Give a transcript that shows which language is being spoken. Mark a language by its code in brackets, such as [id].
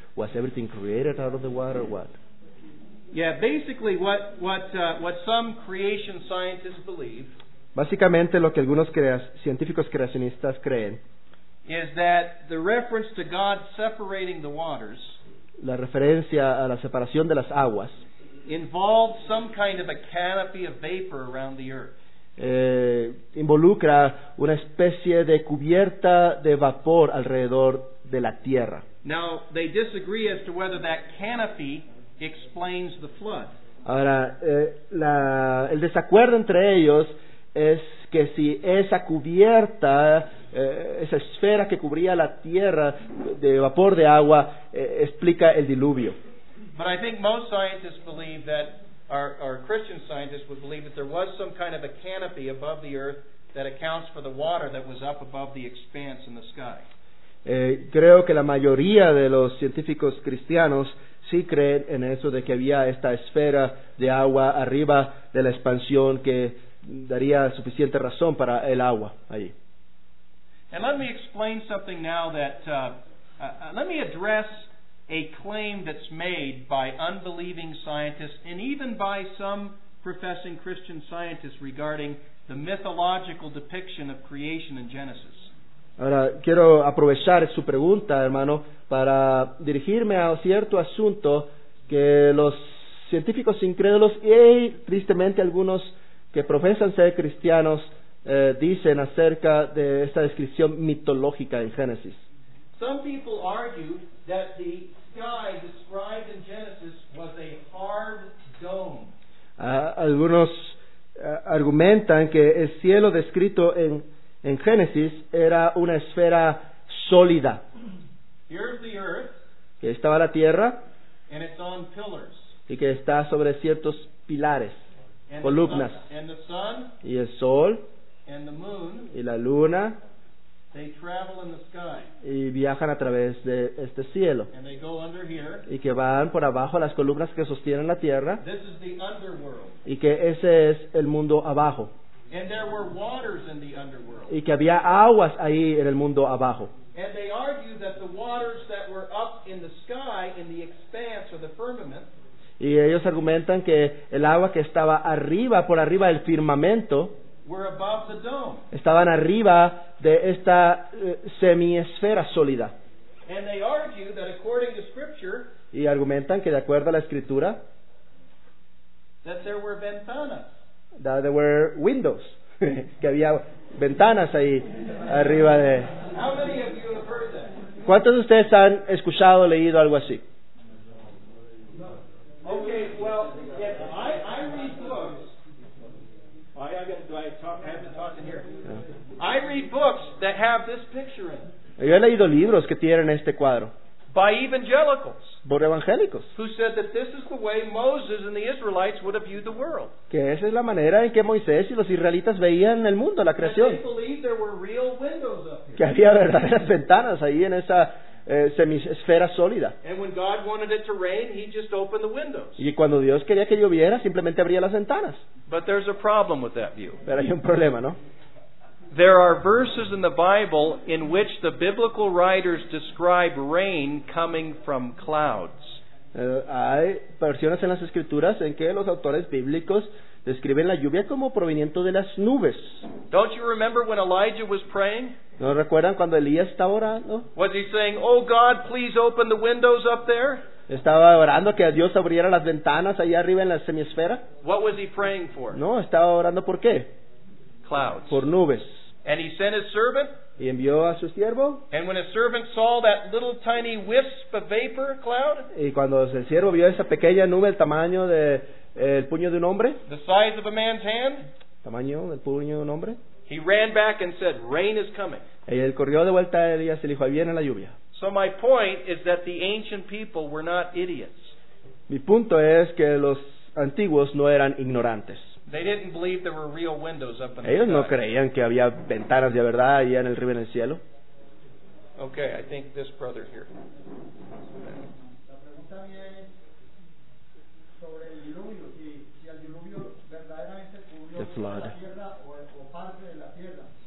[en] Was everything created out of the water? What? Yeah, basically what some creation scientists believe. [es] Básicamente lo que algunos científicos creacionistas creen [en] is that the reference to God separating the waters, [es] la referencia a la separación de las aguas, [en] involved some kind of a canopy of vapor around the earth. [es] Involucra una especie de cubierta de vapor alrededor de la tierra. [en] Now they disagree as to whether that canopy explains the flood. [es] Ahora, el desacuerdo entre ellos es que si esa cubierta, esa esfera que cubría la tierra de vapor de agua, explica el diluvio. [en] But I think most scientists believe that our Christian scientists would believe that there was some kind of a canopy above the earth that accounts for the water that was up above the expanse in the sky. [es] Creo que la mayoría de los científicos cristianos sí creen en eso de que había esta esfera de agua arriba de la expansión que daría suficiente razón para el agua allí. [en] And let me explain something now that let me address a claim that's made by unbelieving scientists and even by some professing Christian scientists regarding the mythological depiction of creation in Genesis. [es] Ahora quiero aprovechar su pregunta, hermano, para dirigirme a cierto asunto que los científicos incrédulos y tristemente algunos que profesan ser cristianos dicen acerca de esta descripción mitológica en Génesis. [en] Some people argue that the sky described in Genesis was a hard dome. [es] Algunos argumentan que el cielo descrito en Génesis era una esfera sólida. [en] Here's the earth, [es] que estaba la tierra, [en] and it's on pillars, [es] y que está sobre ciertos pilares, and columnas, [en] the sun, and the sun, [es] y el sol, [en] and the moon, [es] y la luna, [en] they travel in the sky, [es] y viajan a través de este cielo, [en] and they go under here, [es] y que van por abajo las columnas que sostienen la tierra, [en] this is the underworld, [es] y que ese es el mundo abajo. [en] And there were waters in the underworld. [es] Y que había aguas ahí en el mundo abajo. [en] And they argue that the waters that were up in the sky in the expanse or the firmament. [es] Y ellos argumentan que el agua que estaba arriba, por arriba del firmamento, [en] were above the dome. [es] Estaban arriba de esta semiesfera sólida. [en] And they argue that according to scripture. [es] Y argumentan que de acuerdo a la escritura, [en] that there were ventanas. That there were windows. [es] Que había ventanas ahí arriba de... [en] How many of you have heard that? [es] ¿Cuántos de ustedes han escuchado o leído algo así? [en] Okay, well, if I read books. I read books that have this picture in. [es] Yo he leído libros que tienen este cuadro. [en] By evangelicals. [es] Por evangélicos. [en] Who said that this is the way Moses and the Israelites would have viewed the world. [es] Que esa es la manera en que Moisés y los israelitas veían el mundo, la creación. [en] They believed there were real windows up here. [es] Que había verdaderas ventanas ahí en esa semisfera sólida. [en] And when God wanted it to rain, he just opened the windows. [es] Y cuando Dios quería que lloviera, simplemente abría las ventanas. [en] But there's a problem with that view. [es] Pero hay un problema, ¿no? [en] There are verses in the Bible in which the biblical writers describe rain coming from clouds. [es] Hay versiones en las escrituras en que los autores bíblicos describen la lluvia como proveniente de las nubes. [en] Don't you remember when Elijah was praying? [es] ¿No recuerdan cuando Elías estaba orando? [en] Was he saying, "Oh God, please open the windows up there"? [es] Estaba orando que Dios abriera las ventanas allá arriba en la semiesfera. [en] What was he praying for? [es] No, estaba orando por qué. [en] Clouds. [es] Por nubes. [en] And he sent his servant. [es] Y envió a su siervo. [en] And when his servant saw that little tiny wisp of vapor cloud. [es] Y cuando el siervo vio esa pequeña nube del tamaño de el puño de un hombre. [en] The size of a man's hand. [es] Tamaño del puño de un hombre. [en] He ran back and said, "Rain is coming." [es] Y él corrió de vuelta a Elías y le dijo, "Viene la lluvia." [en] So my point is that the ancient people were not idiots. [es] Mi punto es que los antiguos no eran ignorantes. [en] They didn't believe there were real windows up in the sky. [es] Ellos no creían que había ventanas de verdad allá en el río en el cielo. [en] Okay, I think this brother here. [es] La pregunta mía es sobre el diluvio, si el diluvio verdaderamente cubrió la tierra o parte de la tierra.